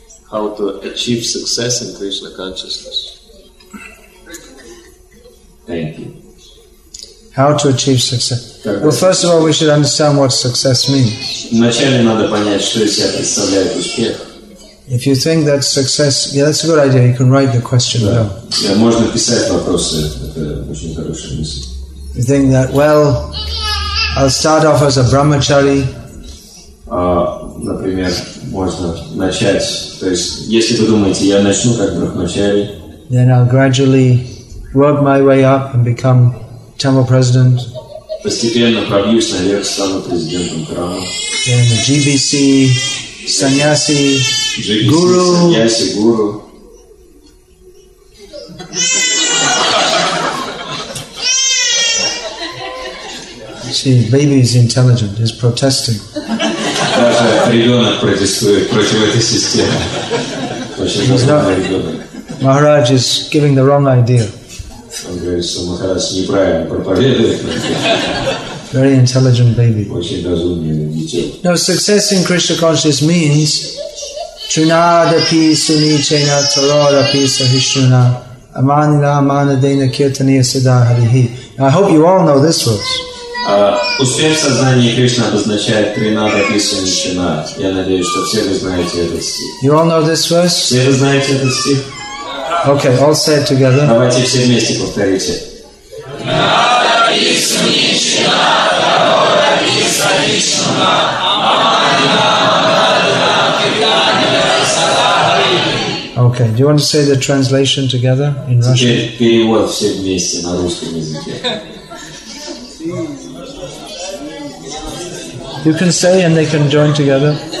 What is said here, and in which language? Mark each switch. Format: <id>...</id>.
<en>How to achieve success in Krishna consciousness? Thank you. How to achieve success? Well, first of all, we should understand what success means.</en> <ru>Вначале надо понять, что из себя представляет успех.</ru> <en>If you think that success, yeah, that's a good idea. You can write the question down.</en> <ru>Yeah, можно писать вопросы. Это очень хорошая мысль.</ru> <en>You think that, well, I'll start off as a brahmachari.</en> <ru>Например, можно начать. То есть, если вы думаете, я начну как брахмачари.</ru> <en>Then I'll gradually work my way up and become temple president.</en> <ru>Постепенно пробьюсь наверх, стану президентом храма.</ru> <en>Then the GBC, sannyasi, guru. See, baby is intelligent, is protesting.</en> <ru>Даже ребенок протестует против этой системы.</ru> <en>He's not. Maharaj is giving the wrong idea.</en> <ru>Он говорит, что Махарадж неправильно проповедует.</ru> <en>Very intelligent baby.</en> <ru>Очень разумный дитя.</ru> <en>No, success in Krishna consciousness means</en> <sa>Trinadapi Sunichena Tarodapi Sahishuna Amanina Amanadena Kirtaniya Siddharihi.</sa> <en>I hope you all know this verse.</en> <ru>Успех в сознании Кришна обозначает</ru> <sa>Trinadapi Sunichena.</sa> <ru>Я надеюсь, что все вы знаете этот стих.</ru> <en>You all know this verse?</en> <ru>Все вы знаете этот стих?</ru> <en>Okay, all say it together.</en> <ru>Давайте все вместе повторите.</ru> <en>Okay, do you want to say the translation together in Russian?</en> <ru>Перевод все вместе на русском языке.</ru> <en>You can say and they can join together.</en>